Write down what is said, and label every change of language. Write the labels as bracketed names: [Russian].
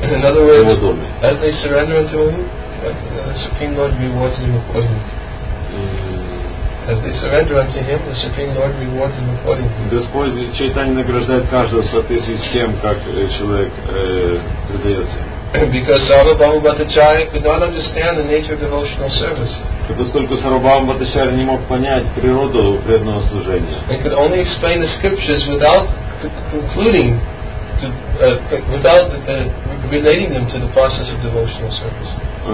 [English] In other words, as they surrender unto him, the Supreme Lord rewards him accordingly. As they surrender unto him, the Supreme Lord rewards him accordingly. [Russian] Господь Чайтанья награждает каждого в соответствии с тем, как человек предается. [English] Because Сарвабхаума Бхаттачарья could not understand the nature of devotional service. [Russian] И поскольку Сарвабхаума Бхаттачарья не мог понять природу преданного служения. [English] He could only explain the scriptures without concluding to, without relating them to the process of devotional service.